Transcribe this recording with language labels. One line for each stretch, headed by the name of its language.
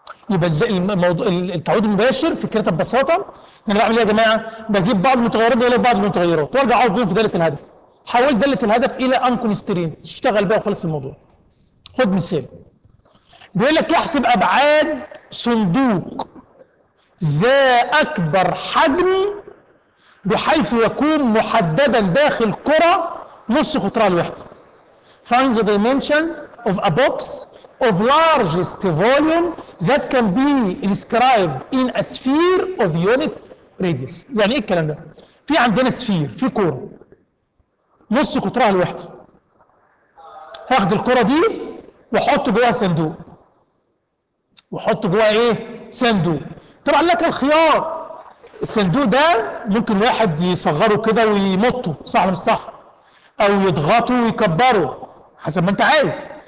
Arabic: يبقى الموضوع التعويض المباشر فكرته ببساطه، انا بعمل ايه يا جماعه؟ بجيب بعض المتغيرات بدل بعض المتغيرات وارجع اعوض في داله الهدف، حولت داله الهدف الى ان كونسترينت، اشتغل بقى وخلص الموضوع. خد مثال بيقول لك احسب ابعاد صندوق ذا اكبر حجم بحيث يكون محددا داخل كره نص قطرها الوحده.
English: Find the dimensions of a box of largest volume that can be inscribed in a sphere of unit radius.
Arabic: يعني ايه الكلام ده؟ في عندنا سفير، في كورة نص قطرها الوحدة، هاخد الكورة دي واحط جواها صندوق، واحط جواها ايه؟ صندوق. طبعا لك الخيار، الصندوق ده ممكن واحد يصغره كده ويمطه، صح ولا مش صح؟ او يضغطه ويكبره حسب ما انت عايز.